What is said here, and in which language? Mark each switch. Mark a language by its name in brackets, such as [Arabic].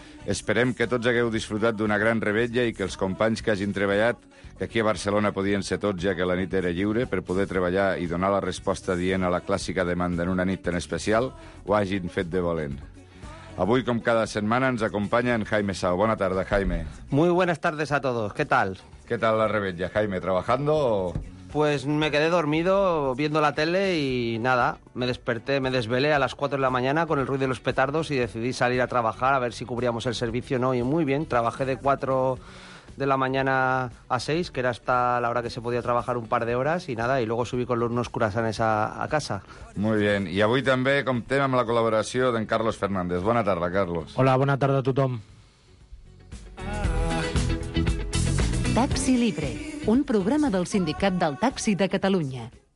[Catalan] Esperem que tots hagueu disfrutat d'una gran revetlla i que els companys que hagin treballat, que aquí a Barcelona podien ser tots ja que la nit era lliure, per poder treballar i donar la resposta dient a la clàssica demanda en una nit tan especial, ho hagin fet de valent. Avui, com cada setmana, ens acompanya en Jaime Sau. Bona tarda, Jaime. [Spanish] Muy buenas tardes a todos. ¿Qué tal? ¿Qué tal la revetlla, Jaime? ¿Trabajando o...? Pues me quedé dormido viendo la tele y nada, me desperté, me desvelé a las 4 de la mañana con el ruido de los petardos y decidí salir a trabajar a ver si cubríamos el servicio o no. Y muy bien, trabajé de 4 de la mañana a 6, que era hasta la hora que se podía trabajar un par de horas, y nada, y luego subí con unos curasanes a casa. Muy bien, [Catalan] i avui també comptem amb la col·laboració d'en Carlos Fernández. Bona tarda, Carlos. Hola, bona tarda a tothom. Taxi Libre, un programa del Sindicat del Taxi de Catalunya.